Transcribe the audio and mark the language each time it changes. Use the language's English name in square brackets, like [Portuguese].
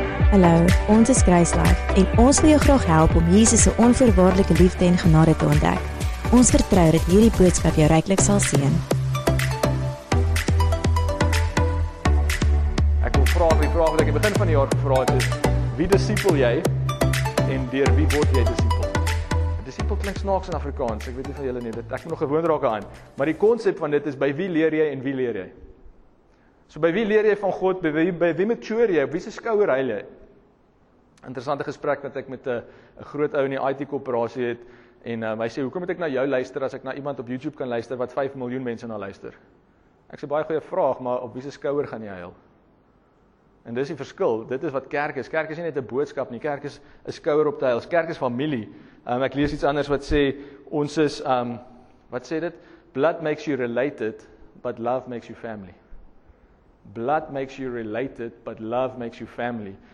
[Afrikaans] Hallo, ons is Kruislag en ons wil jou graag help om Jesus se onvoorwaardelike liefde en genade te ontdek. Ons vertrou dat hierdie boodskap jou ryklik sal seën. Ek wil vra die vraag wat ek in die begin van die jaar gevra het is: wie disipel jy en deur wie word jy disipel? Disipel klink snaaks in Afrikaans, ek weet nie van julle nie, dit ek moet nog gewoon raak aan. Maar die konsep van dit is by wie leer jy en wie leer jy? So by wie leer jy van God, by wie mature jy, op wie se skouer huil jy? Interessante gesprek wat ek met 'n groot ou in die IT-korporasie het, en hy sê, hoekom moet ek na jou luister as ek na iemand op YouTube kan luister wat 5 miljoen mense na luister? Ek sê, baie goeie vraag, maar op wie se skouer gaan jy huil? En dis die verskil, dit is wat kerk is. Kerk is nie net 'n boodskap nie, kerk is 'n skouer op te huil, kerk is familie. Ek lees iets anders wat sê, ons is, wat sê dit? [English] Blood makes you related, but love makes you family. Blood makes you related, but love makes you family.